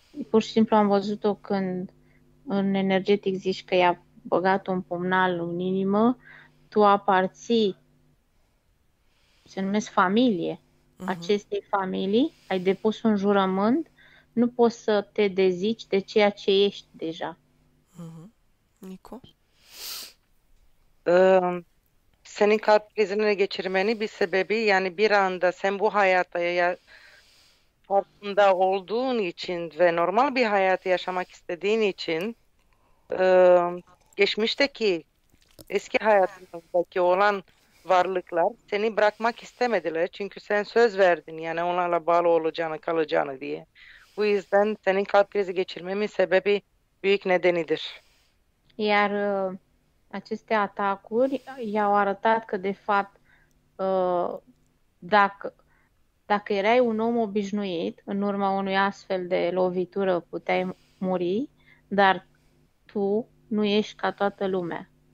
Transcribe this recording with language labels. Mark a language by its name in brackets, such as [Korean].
[Romanian] Pur și simplu am văzut-o când în energetic zici că i-a băgat un pumnal în inimă. Tu aparții, se numesc familie, acestei familii, ai depus un jurământ, nu poți să te dezici de ceea ce ești deja. Nico? [Turkish] Senin kalp krizini geçirmeni bir sebebi, yani bir anda sen bu hayata ya farkında olduğun için ve normal bir hayatı yaşamak istediğin için geçmişteki eski hayatındaki olan varlıklar seni bırakmak istemediler. Çünkü sen söz verdin, yani onlarla bağlı olacağını, kalacağını diye. Bu yüzden senin kalp krizi geçirmemin sebebi büyük nedenidir. [Romanian] Iar aceste atacuri i-au arătat că, de fapt, dacă erai un om obișnuit, în urma unui astfel de lovitură puteai muri, dar tu nu ești ca toată lumea.